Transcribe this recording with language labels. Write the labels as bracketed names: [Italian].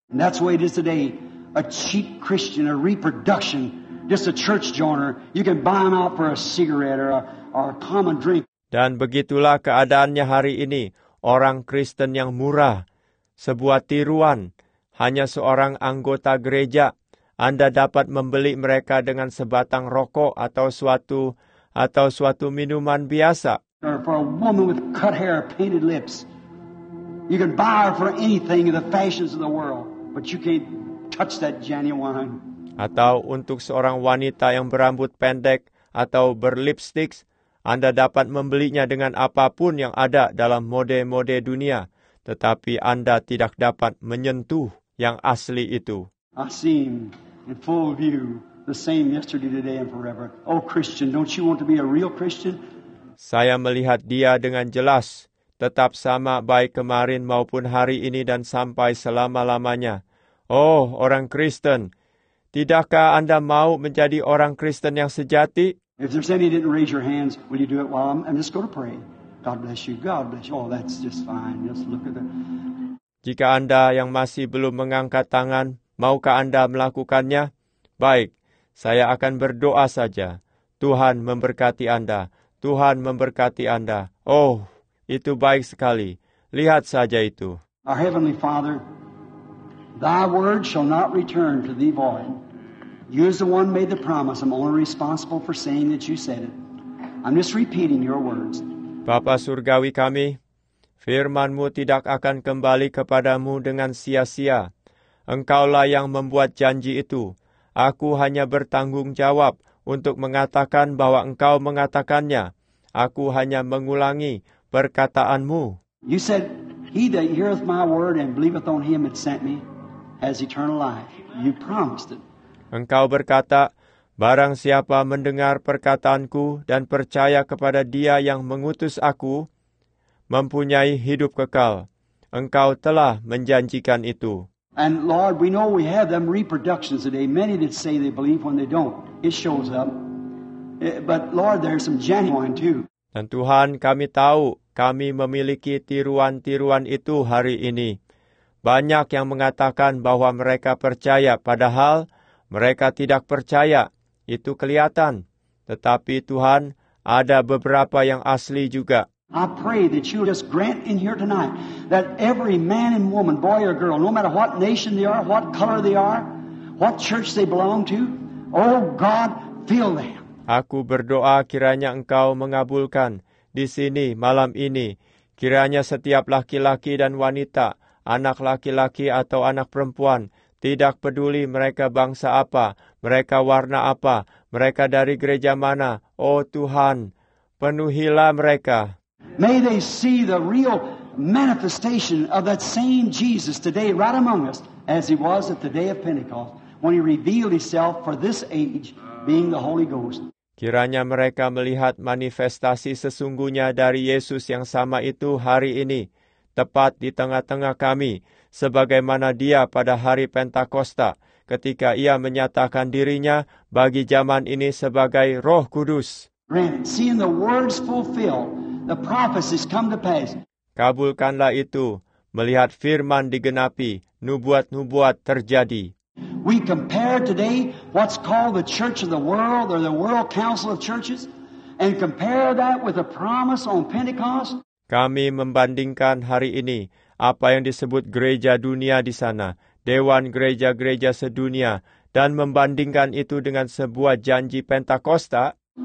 [English] And that's the way it is today. A cheap Christian, a reproduction. Just a church joiner. You can buy them out for a cigarette or a common drink. [Indonesian] Dan begitulah keadaannya hari ini. Orang Kristen yang murah. Sebuah tiruan. Hanya seorang anggota gereja, Anda dapat membeli mereka dengan sebatang rokok atau suatu minuman biasa. [English] Or for a woman with cut hair, painted lips, you can buy her for anything in the fashions of the world, but you can't touch that genuine. [Indonesian] atau untuk seorang wanita yang berambut pendek atau berlipstik, Anda dapat membelinya dengan apapun yang ada dalam mode-mode dunia, tetapi Anda tidak dapat menyentuh yang asli itu. [English] I seem in full view the same yesterday, today, and forever. Oh Christian, don't you want to be a real Christian? [Indonesian] Saya melihat dia dengan jelas, tetap sama baik kemarin maupun hari ini dan sampai selama-lamanya. Oh, orang Kristen, tidakkah Anda mau menjadi orang Kristen yang sejati? [English] If there's any didn't raise your hands, will you do it while I'm just going to pray? God bless you. God bless you. Oh, that's just fine. Just look at that. [Indonesian] Jika Anda yang masih belum mengangkat tangan, maukah Anda melakukannya? Baik, saya akan berdoa saja. Tuhan memberkati Anda. Tuhan memberkati Anda. Oh, itu baik sekali. Lihat saja itu. [English] Our Heavenly Father, Thy word shall not return to Thee void. You as the one made the promise, I'm only responsible for saying that You said it. I'm just repeating Your words. [Indonesian] Bapa Surgawi kami, firman-Mu tidak akan kembali kepada-Mu dengan sia-sia. Engkaulah yang membuat janji itu. Aku hanya bertanggung jawab untuk mengatakan bahwa Engkau mengatakannya. Aku hanya mengulangi perkataan-Mu. [English] You said, He that heareth my word and believeth on him that sent me has eternal life. You promised it. [Indonesian] Engkau berkata, barang siapa mendengar perkataan-Ku dan percaya kepada Dia yang mengutus Aku, mempunyai hidup kekal. Engkau telah menjanjikan itu. [English] And Lord, we know we have them reproductions today. Many that say they believe when they don't, it shows up. But Lord, there's some genuine too. [Indonesian] Dan Tuhan, kami tahu kami memiliki tiruan-tiruan itu hari ini. Banyak yang mengatakan bahwa mereka percaya, padahal mereka tidak percaya. Itu kelihatan. Tetapi Tuhan, ada beberapa yang asli juga. [English] I pray that you just grant in here tonight that every man and woman, boy or girl, no matter what nation they are, what color they are, what church they belong to, oh God, fill them. [Indonesian] Aku berdoa kiranya Engkau mengabulkan di sini malam ini, kiranya setiap laki-laki dan wanita, anak laki-laki atau anak perempuan, tidak peduli mereka bangsa apa, mereka warna apa, mereka dari gereja mana, oh Tuhan, penuhilah mereka. [English] May they see the real manifestation of that same Jesus today right among us as He was at the day of Pentecost when He revealed Himself for this age being the Holy Ghost. [Indonesian] Kiranya mereka melihat manifestasi sesungguhnya dari Yesus yang sama itu hari ini, tepat di tengah-tengah kami, sebagaimana Dia pada hari Pentakosta, ketika Ia menyatakan dirinya bagi zaman ini sebagai Roh Kudus. [English] Granted, seeing the words fulfilled, the prophecies come to pass. [Indonesian] Kabulkanlah itu, melihat firman digenapi, nubuat-nubuat terjadi. [English] We compare today what's called the Church of the World or the World Council of Churches and compare that with the promise on Pentecost. [Indonesian] Kami membandingkan hari ini apa yang disebut gereja dunia di sana, dewan gereja-gereja sedunia, dan membandingkan itu dengan sebuah janji Pentakosta.